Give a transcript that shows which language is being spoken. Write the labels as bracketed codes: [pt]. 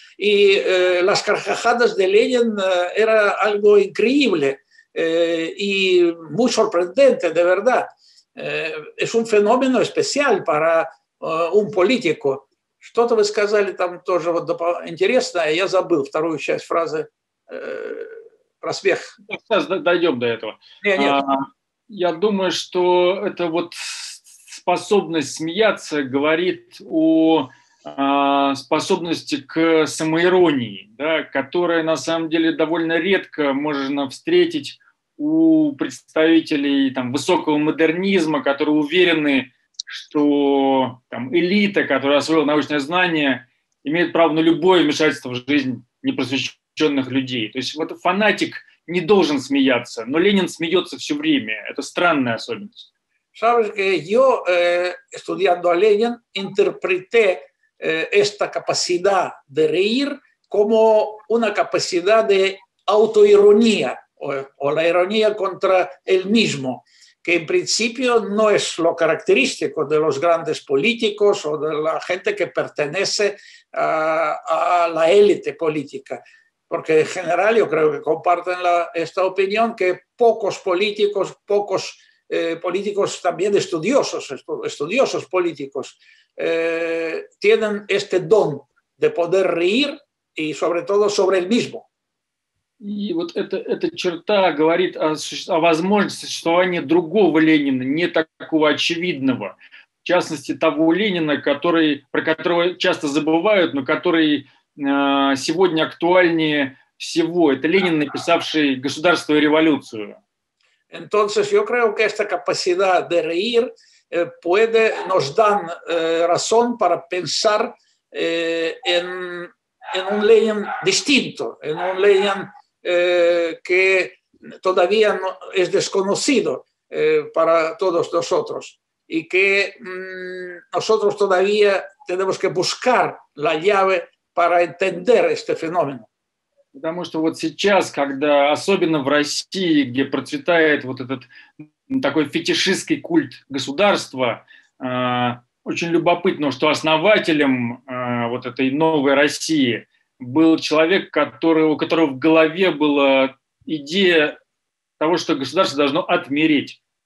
[es] Y las carcajadas de Ленин era algo increíble y muy sorprendente, de verdad. Es un fenómeno especial para un político. [ru] Что-то вы сказали там тоже вот интересное, я забыл вторую часть фразы про смех. Сейчас дойдем до этого. Нет. Я думаю, что эта вот способность смеяться говорит о способности к самоиронии, да, которая на самом деле довольно редко можно встретить у представителей там, высокого модернизма, которые уверены, что там, элита, которая освоила научное знание, имеет право на любое вмешательство в жизнь непросвещенных людей. То есть вот фанатик не должен смеяться, но Ленин смеется все время. Это странная особенность. [es] Sabes que yo, estudiando a Lenin, interpreté esta capacidad de reír como una capacidad de autoironía o la ironía contra el mismo, que en principio no es lo característico de los grandes políticos o de la gente que pertenece a la élite política. Porque en general yo creo que comparten esta opinión que pocos políticos también estudiosos políticos tienen este don de poder reír y sobre todo sobre el mismo. [ru] Y вот эта черта говорит о возможности существования другого Ленина, не такого очевидного, в частности того Ленина, про которого часто забывают, но который сегодня актуальнее всего. Это Ленин, написавший «Государство и революцию». [es] Entonces, yo creo que esta capacidad de reír nos da razón para pensar en un Lenin distinto, en un Lenin que todavía no, es desconocido para todos nosotros y que nosotros todavía tenemos que buscar la llave para entender este fenómeno. [ru] Потому что вот сейчас, когда особенно в России, где процветает вот этот такой фетишистский культ государства, очень любопытно, что основателем вот этой новой России был человек, у которого в голове была идея того, что государство должно отмереть.